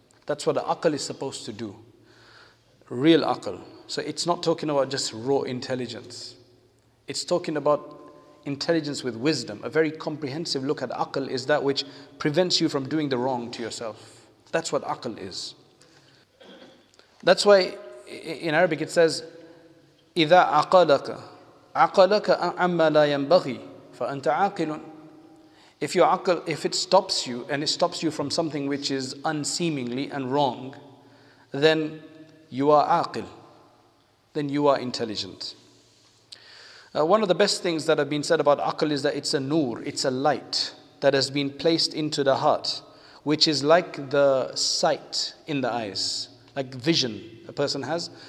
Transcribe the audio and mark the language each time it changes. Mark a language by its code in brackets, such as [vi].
[en] That's what the aql is supposed to do. Real aql. So it's not talking about just raw intelligence. It's talking about intelligence with wisdom. A very comprehensive look at aql is that which prevents you from doing the wrong to yourself. That's what aql is. That's why in Arabic it says, [ar] إِذَا عَقَلَكَ عَقَلَكَ أَمَّا لَا يَنْبَغِي فَأَنْتَ عَاقِلٌ. [en] If your aql, if it stops you, and it stops you from something which is unseemingly and wrong, then you are aql. Then you are intelligent. One of the best things that have been said about aql is that it's a nur, it's a light that has been placed into the heart, which is like the sight in the eyes, like vision a person has.